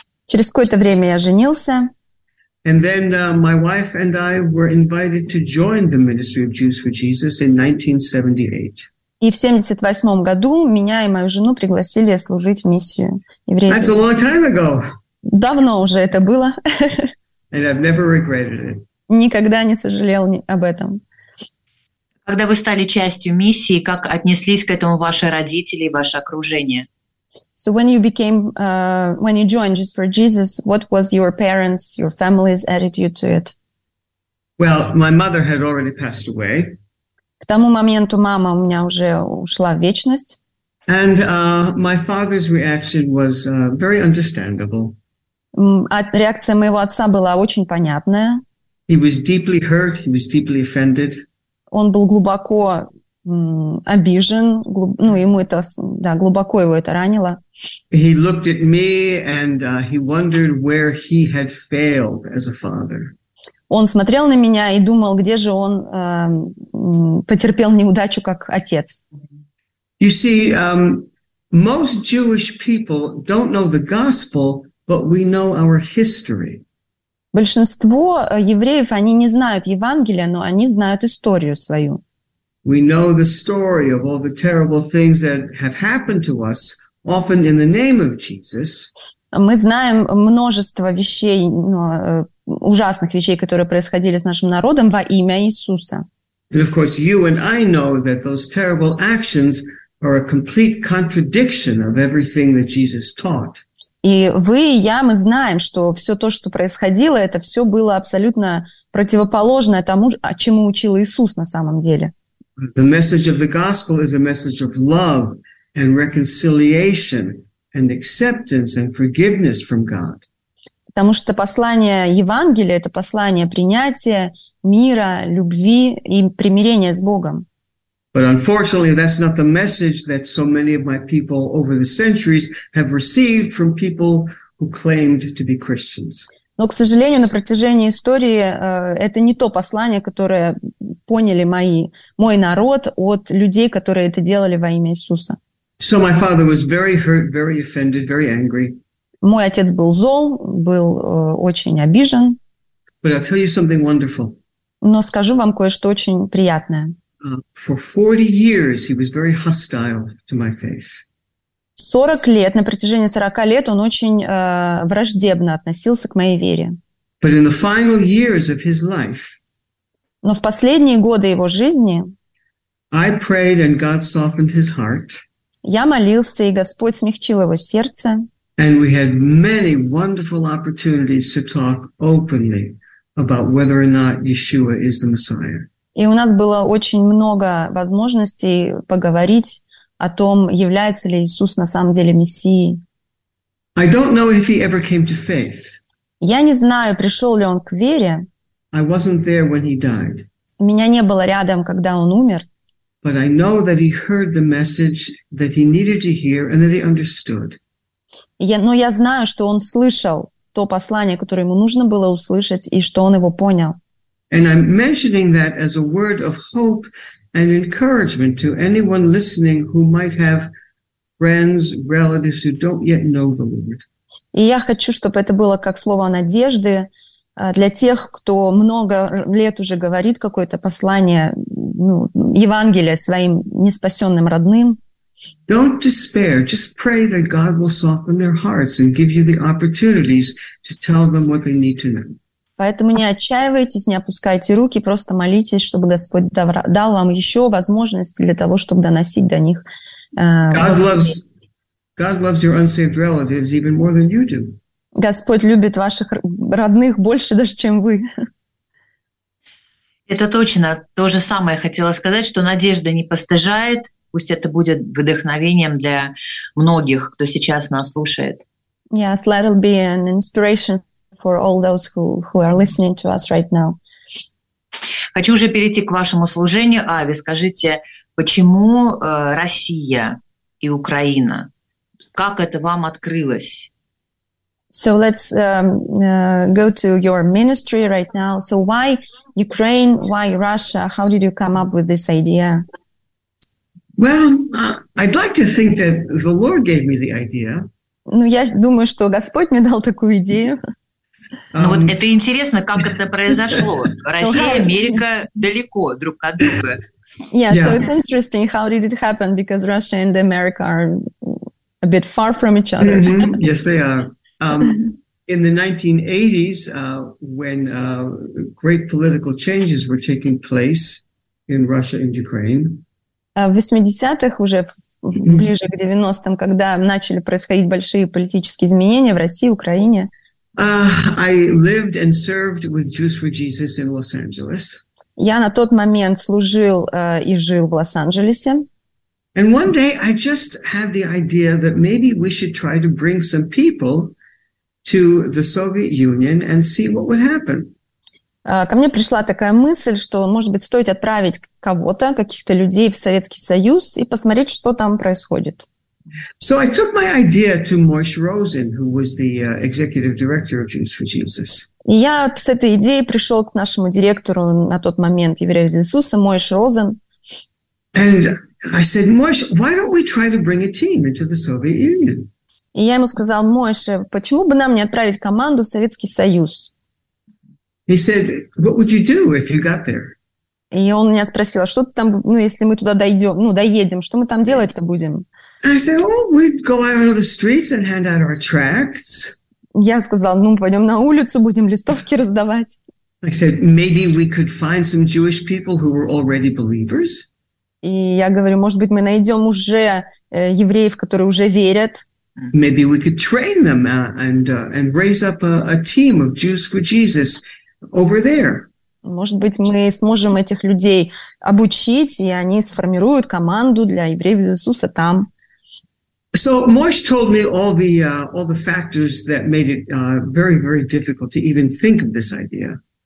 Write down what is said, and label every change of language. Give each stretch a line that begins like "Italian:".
Russian: Через какое-то время я женился.
English: And then my wife and I were invited to join the Ministry of Jews for Jesus in 1978.
Russian: И в 78-м году меня и мою жену пригласили служить в миссию евреев.
English: That's a long time ago.
Russian: Давно уже это было.
English: And I've never regretted it.
Russian: Никогда не сожалел об этом. Когда вы стали частью миссии, как отнеслись к этому ваши родители и ваше окружение?
English: So when you became, when you joined Jews for Jesus, what was your parents, your family's attitude to it? Well, my mother had already passed away.
Russian: К тому моменту мама у меня уже ушла в вечность.
English: And my father's reaction was very understandable.
Russian: Реакция моего отца была очень понятная.
English: He was deeply hurt, he was deeply offended.
Russian: Он был глубоко обижен, ему это, да, глубоко его это ранило.
English: He looked at me and he wondered where he had failed as a father.
Russian: Он смотрел на меня и думал, где же он потерпел неудачу как отец.
English: You see, most Jewish people don't know the gospel, but we know our history.
Russian: Большинство евреев, они не знают Евангелия, но они знают историю свою.
English: We know the story of all the terrible things that have happened to us, often in the name of Jesus.
Russian: Мы знаем множество вещей, ужасных вещей, которые происходили с нашим народом во имя Иисуса.
English: And of course, you and I know that those terrible actions are a complete contradiction of everything that Jesus taught.
Russian: И вы и я, мы знаем, что все то, что происходило, это все было абсолютно противоположное тому, о чему учил Иисус на самом деле.
English: The message of the gospel is a message of love and reconciliation and acceptance and forgiveness from God.
Russian: Потому что послание Евангелия — это послание принятия, мира, любви и примирения с Богом.
English: But unfortunately, that's not the message that so many of my people over the centuries have received from people who claimed to be Christians.
Russian: Но, к сожалению, на протяжении истории это не то послание, которое поняли мой народ от людей, которые это делали во имя Иисуса.
English: So my father was very hurt, very offended, very angry.
Russian: Мой отец был зол, был очень обижен.
English: But I'll tell you something wonderful.
Russian: Но скажу вам кое-что очень приятное.
English: For 40 years he was very hostile to my faith.
Russian: 40 лет, на протяжении 40 лет он очень враждебно относился к моей вере.
English: But in the final years of his life,
Russian: но в последние годы его жизни,
English: I prayed and God softened his heart.
Russian: Я молился, и Господь смягчил его сердце.
English: And we had many wonderful opportunities to talk openly about whether or not Yeshua is the Messiah.
Russian: И у нас было очень много возможностей поговорить о том, является ли Иисус на самом деле Мессией.
English: I don't know if he ever came to faith.
Russian: Я не знаю, пришел ли он к вере.
English: I wasn't there when he died.
Russian: Меня не было рядом, когда он умер.
English: But I know that he heard the message that he needed to hear and that he understood.
Russian: Но я знаю, что он слышал то послание, которое ему нужно было услышать, и что он его понял.
English: And I'm mentioning that as a word of hope and encouragement to anyone listening who might have friends, relatives who don't yet know the Lord.
Russian: И я хочу, чтобы это было как слово надежды для тех, кто много лет уже говорит какое-то послание, ну, Евангелие своим неспасенным родным.
English: Don't despair. Just pray that God will soften their hearts and give you the opportunities to tell them what they need to know.
Russian: Поэтому не отчаивайтесь, не опускайте руки, просто молитесь, чтобы Господь дал вам еще возможности для того, чтобы доносить до них.
English: God loves your unsaved relatives even more than you do.
Russian: Господь любит ваших родных больше даже, чем вы. Это точно. То же самое я хотела сказать, что надежда не постыжает. Пусть это будет вдохновением для многих, кто сейчас нас слушает.
English: Yes, let it be an inspiration for all those who are listening to us right now.
Russian: Хочу уже перейти к вашему служению. Ави, скажите, почему Россия и Украина? Как это вам открылось?
English: So let's go to your ministry right now. So why Ukraine, why Russia? How did you come up with this idea? Well, I'd like to think that the Lord gave me the idea.
Russian: Ну, я думаю, что Господь мне дал такую идею. Ну вот это интересно, как это произошло. Россия, Америка далеко друг от друга.
English: Yeah, so it's interesting how did it happen because Russia and America are a bit far from each other. Mm-hmm. Yes, they are. In the 1980s, when great political changes were taking place in Russia and Ukraine.
Russian: В 80-х, уже ближе к 90-м, когда начали происходить большие политические изменения в России, Украине.
English: I lived and served with Jews for Jesus in Los Angeles.
Russian: Я на тот момент служил и жил в Лос-Анджелесе.
English: And one day I just had the idea that maybe we should try to bring some people to the Soviet Union and see what would happen.
Russian: Ко мне пришла такая мысль, что, может быть, стоит отправить кого-то, каких-то людей в Советский Союз и посмотреть, что там происходит.
English: So I took my idea to Moshe Rosen, who was the executive director of Jews for Jesus.
Russian: И я с этой идеей пришел к нашему директору на тот момент Евреев за Иисуса, Моше Розен.
English: And I said, Moshe, why don't we try to bring a team into the Soviet Union?
Russian: И я ему сказал, Моше, почему бы нам не отправить команду в Советский Союз?
English: He said, "What would you do if you got there?"
Russian: И он меня спросил, что там, ну, если мы туда дойдем, ну, доедем, что мы там делать-то будем?
English: I said, "Well, we'd go out on the streets and hand out our tracts."
Russian: Я сказал, ну, пойдем на улицу, будем листовки раздавать.
English: I said, "Maybe we could find some Jewish people who were already believers."
Russian: И я говорю, может быть, мы найдем уже евреев, которые уже верят.
English: Maybe we could train them and raise up a team of Jews for Jesus. Over there.
Russian: Может быть, мы сможем этих людей обучить, и они сформируют команду для евреев из Иисуса там.
English: So Moshe told me all the factors that made it very, very difficult to even think of this idea.